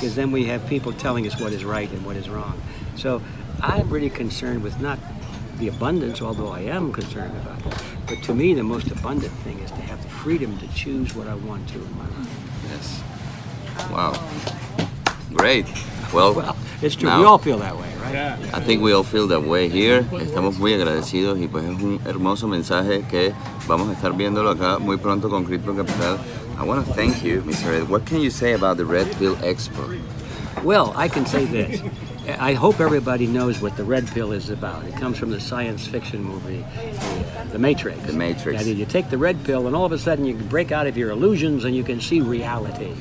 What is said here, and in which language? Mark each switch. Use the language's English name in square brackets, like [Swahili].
[English] Because then we have people telling us what is right and what is wrong. So I'm really concerned with not the abundance, although I am concerned about it. But to me, the most abundant thing is to have the freedom to choose what I want to in my life. Yes. Wow. Great. Well, it's true. Now, we all feel that way, right? Yeah. I think we all feel that way here. [Spanish] Estamos muy agradecidos y pues es un hermoso mensaje que vamos a estar viéndolo acá muy pronto con Crypto Capital. [English] I want to thank you, Mr. Ed. What can you say about the Red Pill Expo? Well, I can say this. I hope everybody knows what the Red Pill is about. It comes from the science fiction movie, The Matrix. The Matrix. That is, you take the Red Pill and all of a sudden you break out of your illusions and you can see reality.